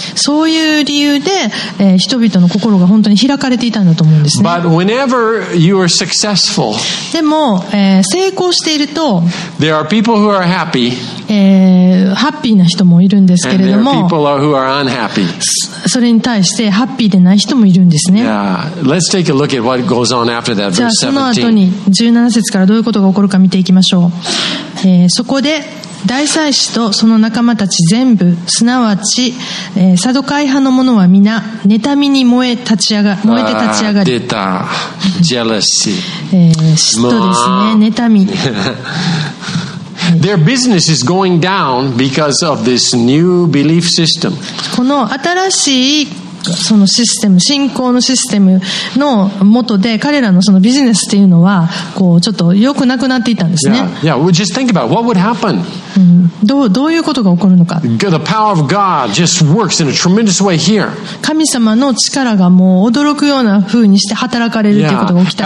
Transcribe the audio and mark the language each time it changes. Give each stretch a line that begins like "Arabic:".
Japanese: そういう理由で、人々の心が本当に開かれていたんだと思うんですね。
English: But whenever you are successful,
Japanese: でも、成功していると、
English: there are people who are happy,
Japanese: ハッピーな人もいるんですけれども、
English: and there are people who are unhappy.
Japanese: それに対してハッピーでない人もいるんですね。
English: Let's take a look at what goes on after that, verse 17.
Japanese: じゃあその後に17節からどういうことが起こるか見ていきましょう。そこで大祭司とその仲間たち全部、すなわち、サドカイ派の者は皆妬みに燃えて立ち上がり、出た、ジェラシー、嫉妬ですね、妬み。
English: Their business is going down because of this new belief system.
Japanese: この新しいそのシステム、信仰のシステムの元で彼らのそのビジネスっていうのはこうちょっと良くなくなっていたんですね。
English: Yeah, just think about what would happen.
Japanese: どういうことが起こるのか。
English: The power of God just works in a tremendous way here.
Japanese: 神様の力がもう驚くような風にして働かれるということが起きた。